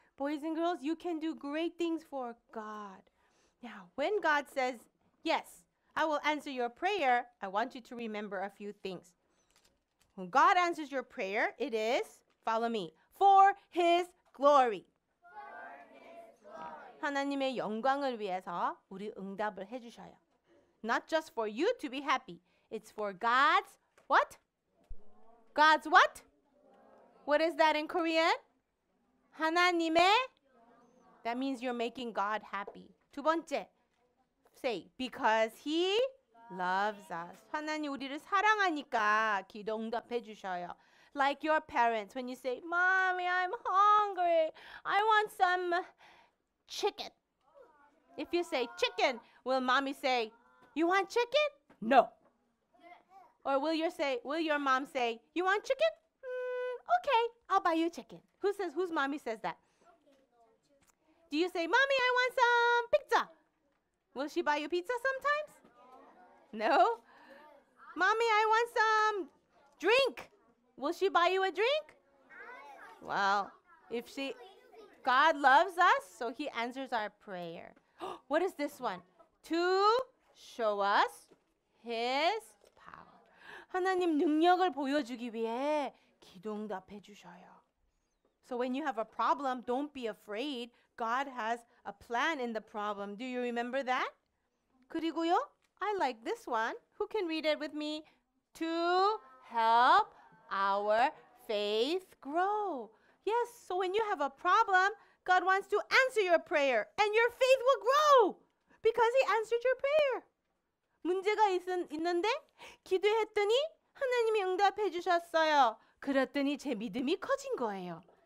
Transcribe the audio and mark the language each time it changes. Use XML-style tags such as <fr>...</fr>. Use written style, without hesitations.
<en>Boys and girls, you can do great things for God. Now, when God says, yes, I will answer your prayer, I want you to remember a few things. When God answers your prayer, it is, follow me, for His glory. For His glory.</en> <ko>하나님의 영광을 위해서 우리 응답을 해주셔요.</ko> <en>Not just for you to be happy. It's for God's what? God's what? What is that in Korean?</en> <ko>하나님의?</ko> <en>That means you're making God happy.</en> <ko>두 번째,</ko> <en>say, because He loves us.</en> <ko>하나님 우리를 사랑하니까 기도 응답해 주셔요.</ko> <en>Like your parents, when you say, Mommy, I'm hungry. I want some chicken. If you say chicken, will mommy say, you want chicken? No. Or will your mom say, you want chicken? Okay, I'll buy you chicken. Whose mommy says that? Do you say, Mommy, I want some pizza? Will she buy you pizza sometimes? No? Mommy, I want some drink. Will she buy you a drink? Well, if she, God loves us, so He answers our prayer. What is this one? To show us His power.</en> <ko>하나님 능력을 보여주기 위해 기도 응답해 주셔요.</ko> <en>So when you have a problem, don't be afraid. God has a plan in the problem. Do you remember that?</en> <ko>그리고요?</ko> <en>I like this one. Who can read it with me? To help our faith grow. Yes, so when you have a problem, God wants to answer your prayer and your faith will grow because He answered your prayer.</en> <ko>문제가 있는데 기도했더니 하나님이 응답해 주셨어요. 그랬더니 제 믿음이 커진 거예요.</ko>